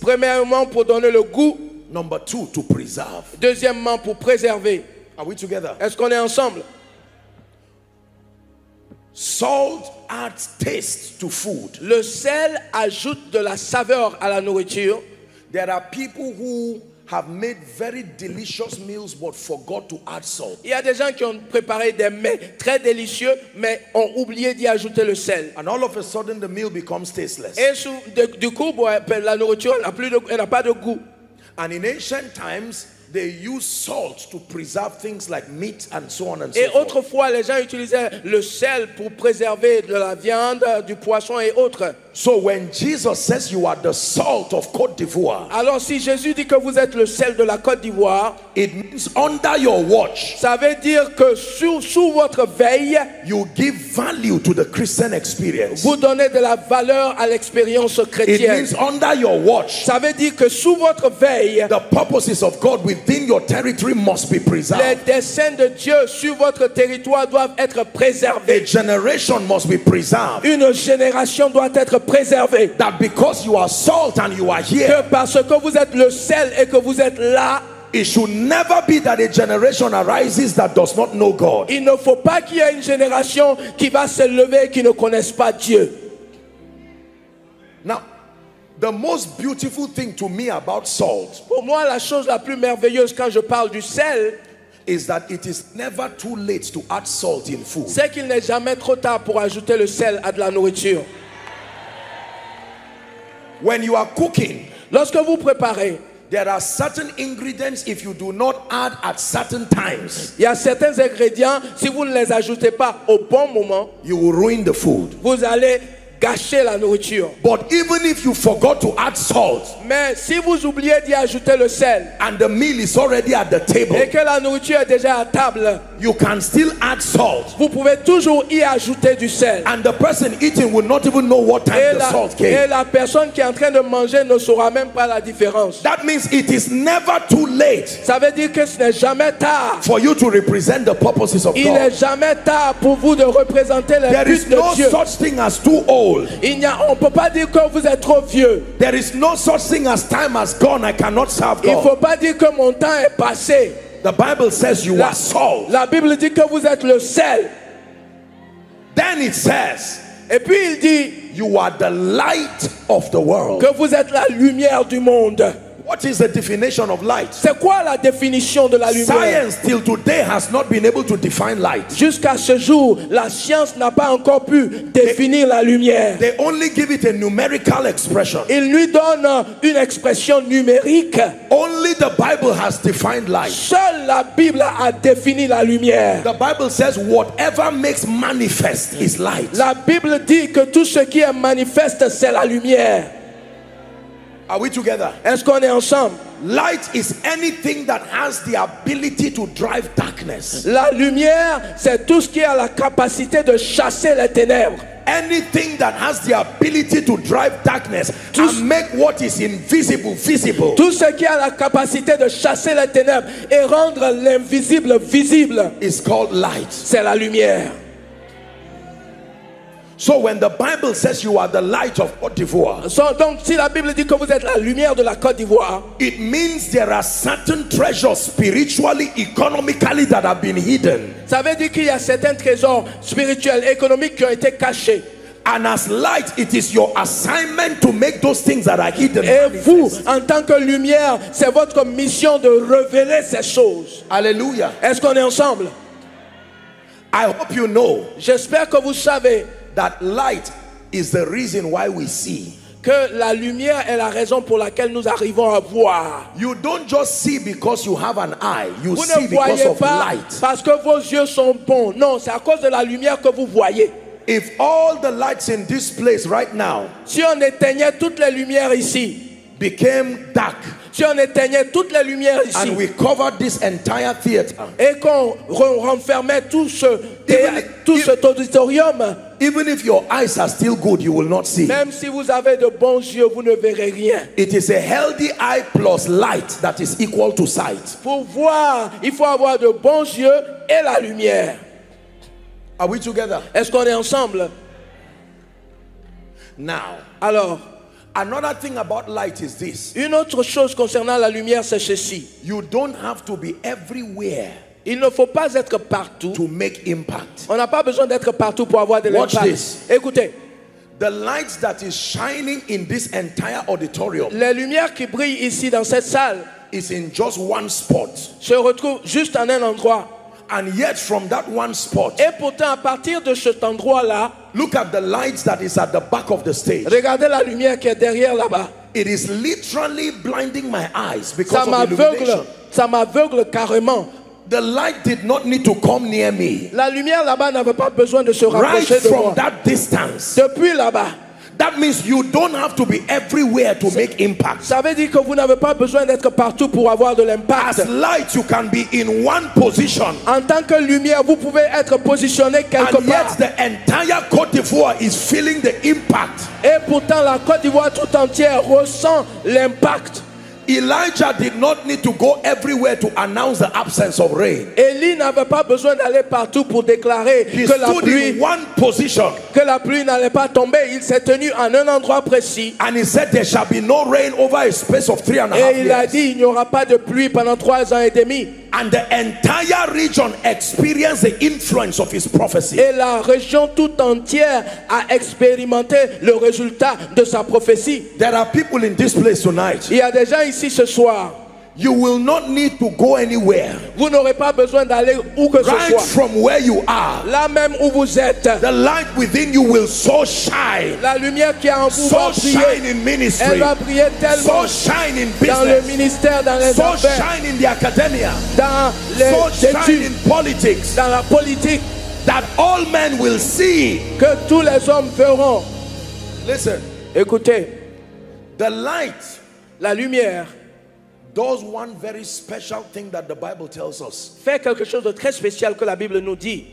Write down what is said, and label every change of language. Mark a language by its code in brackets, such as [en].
[fr] Premièrement, pour donner le goût. [en] Number two, to preserve. [fr] Deuxièmement, pour préserver. [en] Are we together? [fr] Est-ce qu'on est ensemble? [en] Salt adds taste to food. [fr] Le sel ajoute de la saveur à la nourriture. [en] There are people who have made very delicious meals but forgot to add salt. [fr] Il y a des gens qui ont préparé des mets très délicieux mais ont oublié d'y ajouter le sel. [en] And all of a sudden the meal becomes tasteless. [fr] Et du coup la nourriture n'a pas de goût. [en] And in ancient times they use salt to preserve things like meat and so on and so forth. [fr] Et autrefois, les gens utilisaient le sel pour préserver de la viande, du poisson et autres. [en] So when Jesus says you are the salt of Côte d'Ivoire, [fr] alors si Jésus dit que vous êtes le sel de la Côte d'Ivoire, [en] it means under your watch, [fr] ça veut dire que sous votre veille, [en] you give value to the Christian experience. [fr] Vous donnez de la valeur à l'expérience chrétienne. [en] It means under your watch, [fr] ça veut dire que sous votre veille, [en] the purposes of God within your territory must be preserved. [fr] Les desseins de Dieu sur votre territoire doivent être préservés. [en] A generation must be preserved. [fr] Une génération doit être préservé. [en] That because you are salt and you are here, [fr] que parce que vous êtes le sel et que vous êtes là, [en] it should never be that a generation arises that does not know God. [fr] Il ne faut pas qu'il y ait une génération qui va se lever et qui ne connaisse pas Dieu. [en] Now, the most beautiful thing to me about salt, [fr] pour moi la chose la plus merveilleuse quand je parle du sel, [en] is that it is never too late to add salt in food. [fr] C'est qu'il n'est jamais trop tard pour ajouter le sel à de la nourriture. [en] When you are cooking, [fr] lorsque vous préparez, [en] there are certain ingredients if you do not add at certain times, [fr] il y a certains ingrédients si vous ne les ajoutez pas au bon moment, [en] you will ruin the food. [fr] Vous allez gâcher la nourriture. [en] But even if you forgot to add salt, [fr] mais si vous oubliez d'y ajouter le sel, [en] and the meal is already at the table, [fr] et que la nourriture est déjà à table, [en] you can still add salt. [fr] Vous pouvez toujours y ajouter du sel. [en] And the person eating will not even know what time the salt came. [fr] Et la personne qui est en train de manger ne saura même pas la différence. [en] That means it is never too late. [fr] Ça veut dire que ce n'est jamais tard. [en] For you to represent the purposes of God. [fr] Il n'est jamais tard pour vous de représenter les buts de Dieu. [en] There is no such thing as too old. [fr] On peut pas dire que vous êtes trop vieux. [en] There is no such thing as time has gone. I cannot serve God. [fr] Il faut pas dire que mon temps est passé. [en] The Bible says you are salt. [fr] La Bible dit que vous êtes le sel. [en] Then it says, [fr] et puis il dit, [en] you are the light of the world. [fr] Que vous êtes la lumière du monde. [en] What is the definition of light? [fr] C'est quoi la définition de la lumière? [en] Science till today has not been able to define light. [fr] Jusqu'à ce jour, la science n'a pas encore pu définir la lumière. [en] They only give it a numerical expression. [fr] Il lui donne une expression numérique. [en] Only the Bible has defined light. [fr] Seule la Bible a défini la lumière. [en] The Bible says whatever makes manifest is light. [fr] La Bible dit que tout ce qui est manifeste c'est la lumière. [en] Are we together? [fr] Est-ce qu'on est ensemble? [en] Light is anything that has the ability to drive darkness. [fr] La lumière, c'est tout ce qui a la capacité de chasser les ténèbres. [en] Anything that has the ability to drive darkness and make what is invisible visible. [fr] Tout ce qui a la capacité de chasser les ténèbres et rendre l'invisible visible [en] is called light. [fr] C'est la lumière. [en] So when the Bible says you are the light of Côte d'Ivoire, [fr] so, donc si la Bible dit que vous êtes la lumière de la Côte d'Ivoire, [en] it means there are certain treasures spiritually, economically that have been hidden. [fr] Ça veut dire qu'il y a certains trésors spirituels, économiques qui ont été cachés. [en] And as light, it is your assignment to make those things that are hidden. [fr] Et vous, en tant que lumière, c'est votre mission de révéler ces choses. Alléluia. Est-ce qu'on est ensemble? [en] I hope you know. [fr] J'espère que vous savez. [en] That light is the reason why we see. [fr] Que la lumière est la raison pour laquelle nous arrivons à voir. [en] You don't just see because you have an eye. You [fr] vous [en] see because [fr] pas [en] of light. [fr] Parce que vos yeux sont bons. Non, c'est à cause de la lumière que vous voyez. [en] If all the lights in this place right now, [fr] si on éteignait toutes les lumières ici, [en] became dark. [fr] Si on éteignait toutes les lumières ici, [en] and we covered this entire theater, [fr] et qu'on renfermait tout cet auditorium. [en] Even if your eyes are still good, you will not see. [fr] Même si vous avez de bons yeux, vous ne verrez rien. [en] It is a healthy eye plus light that is equal to sight. [fr] Pour voir, il faut avoir de bons yeux et la lumière. [en] Are we together? [fr] Est-ce qu'on est ensemble? [en] Now, [fr] alors, [en] another thing about light is this. [fr] Une autre chose concernant la lumière, c'est ceci. [en] You don't have to be everywhere. [fr] Il ne faut pas être partout. [en] To make impact. [fr] On n'a pas besoin d'être partout pour avoir de l'impact. [en] Watch this. [fr] Écoutez. [en] The light that is shining in this entire auditorium. [fr] Les lumières qui brillent ici dans cette salle. [en] Is in just one spot. [fr] Se retrouve juste en un endroit. [en] And yet from that one spot. [fr] Et pourtant à partir de cet endroit-là. [en] Look at the lights that is at the back of the stage. [fr] Regardez la lumière qui est derrière là-bas. [en] It is literally blinding my eyes because [fr] ça m'aveugle, [en] of illumination. [fr] Ça m'aveugle carrément. The light did not need to come near me. La lumière là-bas n'avait pas besoin de se rapprocher [en] right [fr] de moi. [en] Right from that distance. [fr] Depuis là-bas. [en] That means you don't have to be everywhere to make impact. [fr] Ça veut dire que vous n'avez pas besoin d'être partout pour avoir de l'impact. [en] As light, you can be in one position. [fr] En tant que lumière, vous pouvez être positionné quelque part. [en] And yet, the entire Côte d'Ivoire is feeling the impact. [fr] Et pourtant, la Côte d'Ivoire tout entière ressent l'impact. [en] Elijah did not need to go everywhere to announce the absence of rain. [fr] Élie n'avait pas besoin d'aller partout pour déclarer que la pluie. [en] He stood in one position. [fr] Que la pluie n'allait pas tomber. Il s'est tenu en un endroit précis. [en] And he said, "There shall be no rain over a space of 3.5 years." [fr] Et il a dit, il n'y aura pas de pluie pendant 3 ans et demi. [en] And the entire region experienced the influence of his prophecy. [fr] Et la région tout entière a expérimenté le résultat de sa prophétie. [en] There are people in this place tonight. [fr] Il y a des gens ici ce soir. [en] You will not need to go anywhere. [fr] Vous n'aurez pas besoin d'aller où que [en] right [fr] ce soit. [en] Right from where you are. [fr] Là même où vous êtes. [en] The light within you will so shine. [fr] La lumière qui est en vous [en] so [fr] va briller. [en] So shine in ministry. [fr] Elle va briller tellement. [en] So shine in business. [fr] Dans le ministère, dans les [en] so [fr] affaires. [en] So shine in the academia. [fr] Dans les [en] so shine [fr] études. [en] In politics. [fr] Dans la politique. [en] That all men will see. [fr] Que tous les hommes verront. [en] Listen. [fr] Écoutez. [en] The light. [fr] La lumière. [en] Does one very special thing that the Bible tells us. [fr] Fait quelque chose de très spécial que la Bible nous dit.